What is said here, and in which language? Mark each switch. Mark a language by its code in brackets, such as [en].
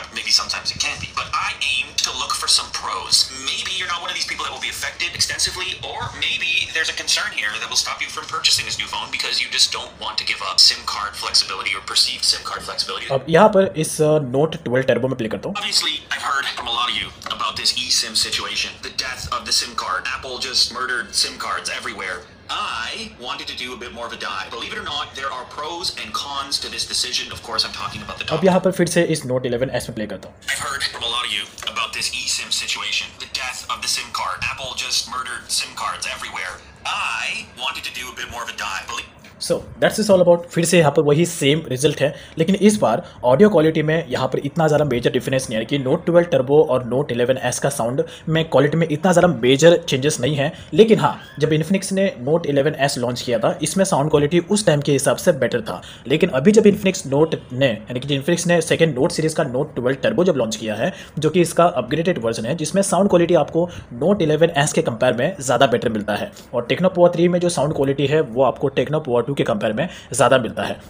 [en] Sometimes it can be, but I aim to look for some pros. Maybe you're not one of these people that will be affected extensively, or maybe there's a concern here that will stop you from purchasing this new phone because you just don't want to give up SIM card flexibility or perceived SIM card flexibility. [hi] अब यहाँ पर इस Note 12 Turbo में play करता हूँ। [en] Obviously, I've heard from a lot of you about this eSIM situation, the death of the SIM card. Apple just murdered SIM cards everywhere. I wanted to do a bit more of a dive. Believe it or not, there are pros and cons to this decision. Of course, I'm talking about the top. [hi] अब यहाँ पर फिर से इस Note 11 S में play करता हूँ। [en] I've heard from a lot of you about this eSIM situation, the death of the SIM card. Apple just murdered SIM cards everywhere. I wanted to do a bit more of a dive. So that's is all about. [hi] फिर से यहाँ पर वही same result है, लेकिन इस बार audio quality में यहाँ पर इतना ज़्यादा मेजर डिफरेंस नहीं है कि नोट 12 टर्बो और नोट 11 एस का साउंड में क्वालिटी में इतना ज़्यादा मेजर चेंजेस नहीं है। लेकिन हाँ, जब इन्फिनिक्स ने नोट 11 एस लॉन्च किया था इसमें साउंड क्वालिटी उस टाइम के हिसाब से बेटर था, लेकिन अभी जब इन्फिनिक्स नोट ने यानी कि इन्फिनिक्स ने सेकेंड नोट सीरीज़ का नोट 12 टर्बो जब लॉन्च किया है जो कि इसका अपग्रेडेड वर्जन है जिसमें साउंड क्वालिटी आपको नोट 11 एस के कंपेयर में ज़्यादा बेटर मिलता है, और टेक्नो पोएट्री 3 में जो साउंड क्वालिटी है वो आपको टेक्नो पोएट्री के कंपेयर में ज्यादा मिलता है।